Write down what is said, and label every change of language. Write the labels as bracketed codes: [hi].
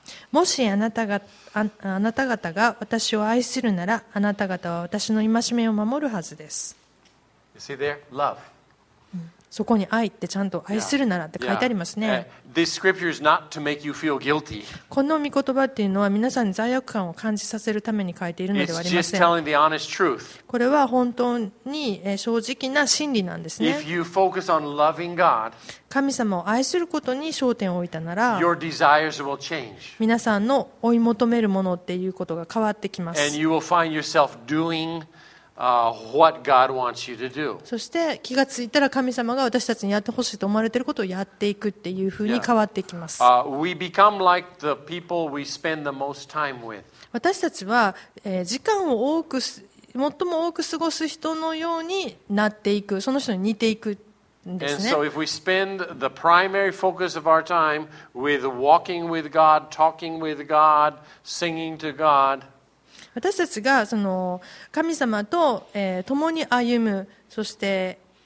[ja] もしあなた方が私を愛するなら、あなた方は私の戒めを守るはずです。 [en] You see there? Love. [ja] そこに愛ってちゃんと愛するならって書いてありますね。 [en] This scripture is not to make you feel guilty. [ja] この御言葉っていうのは皆さんに罪悪感を感じさせるために書いているのではありません。 [en] It's just telling the honest truth. [ja] これは本当に正直な真理なんですね。 [en] If you focus on loving God, [ja] 神様を愛することに焦点を置いたなら、 [en] your desires will change. [ja] 皆さんの追い求めるものっていうことが変わってきます。 [en] And you will find yourself doingwhat God wants you to do. [ja] そして気がついたら神様が私たちにやってほしいと思われていることをやっていくっていうふうに変わっていきます。 [en] We become like the people we spend the most time with. [ja] 私たちは、時間を多く最も多く過ごす人のようになっていく、その人に似ていく [en] And so if we spend the primary focus of our time with walking with God, talking with God, singing to God, [ja] 私たちがその神様と、共に歩む、そして、